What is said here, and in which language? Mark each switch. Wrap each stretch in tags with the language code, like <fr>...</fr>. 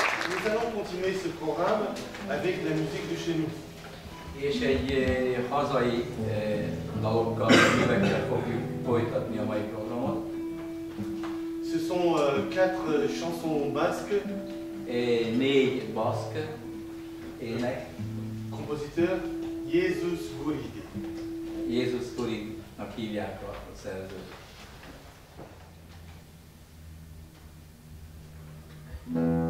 <fr>nous allons continuer ce programme avec la musique de chez nous.</fr> <hu>És egy hazai dalokkal, amivel fogjuk folytatni a mai programot.</hu> <fr>Ce sont quatre chansons basques.</fr> <hu>Négy basque ének.</hu> <fr>Compositeur Jézus Guridi.</fr> <hu>Jézus Guridinak hívják a szerzőt.</hu>